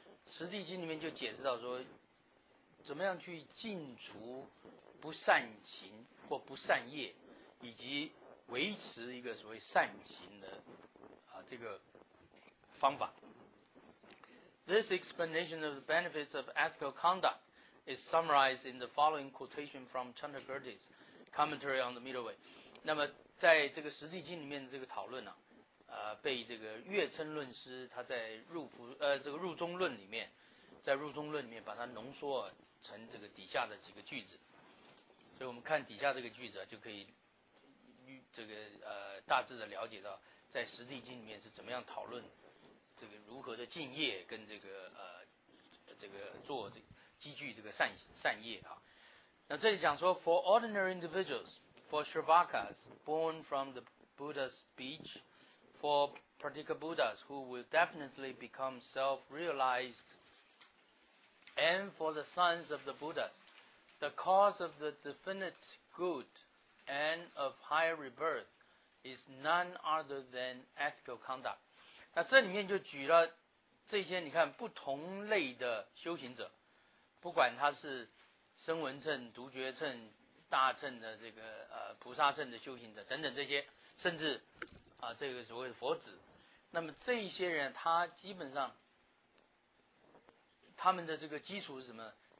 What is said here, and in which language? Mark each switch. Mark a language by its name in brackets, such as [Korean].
[Chinese] 十地经里面就解释到说怎么样去禁除不善行或不善业，以及维持一个所谓善行的这个方法。 [English] This explanation of the benefits of ethical conduct is summarized in the following quotation from Chandragirti's Commentary on the Middle Way。 [Chinese] 那么在这个十地经里面的这个讨论呢、被这个月称论师他在入中论里面，在入中论里面把它浓缩成这个底下的几个句子，所以我们看底下这个句子、就可以这个大致的了解到在十地经里面是怎么样讨论这个如何的敬业跟这个做这积聚这个善业啊。那这里讲说 [English] For ordinary individuals, for Shravakas born from the Buddha's speech, for Pratikabuddhas who will definitely become self-realized, and for the sons of the Buddhas,The cause of the definite good and of higher rebirth is none other than ethical conduct. [Chinese] 那这里面就举了这些，你看不同类的修行者，不管他是声闻乘、独觉乘、大乘的这个菩萨乘的修行者等等这些，甚至这个所谓的佛子，那么这些人他基本上他们的这个基础是什么？